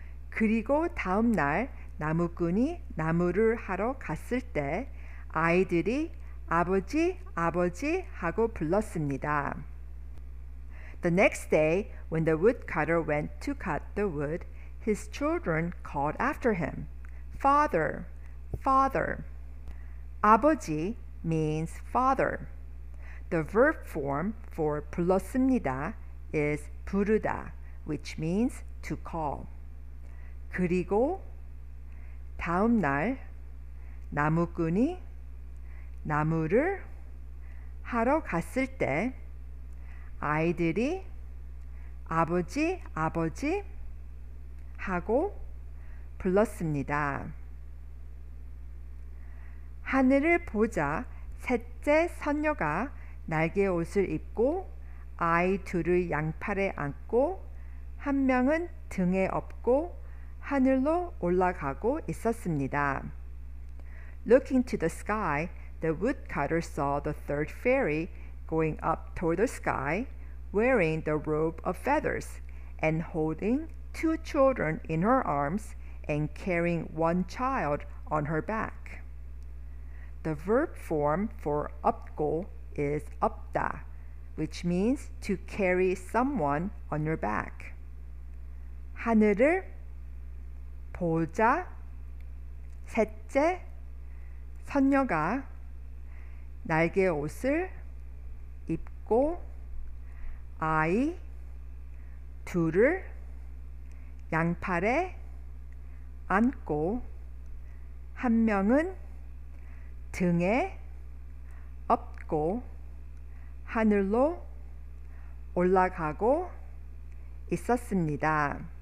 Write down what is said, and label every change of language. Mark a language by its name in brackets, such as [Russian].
[Korean] 그리고 다음 날 나무꾼이 나무를 하러 갔을 때 아이들이 아버지, 아버지 하고 불렀습니다. [English] The next day, when the woodcutter went to cut the wood, his children called after him, Father, Father. 아버지 means father. The verb form for 불렀습니다 is 부르다, which means to call. [Korean] 그리고 다음 날 나무꾼이 나무를 하러 갔을 때 아이들이 아버지, 아버지 하고 불렀습니다. 하늘을 보자 셋째 선녀가 날개 옷을 입고 아이 둘을 양팔에 안고 한 명은 등에 업고 하늘로 올라가고 있었습니다. [English] Looking to the sky, the woodcutter saw the third fairy going up toward the sky, wearing the robe of feathers, and holding two children in her arms and carrying one child on her back. The verb form for 업고 is 업다, which means to carry someone on your back. [Korean] 하늘을 보자 셋째 선녀가 날개 옷을 입고 아이 둘을 양팔에 안고 한 명은 등에 업고 하늘로 올라가고 있었습니다.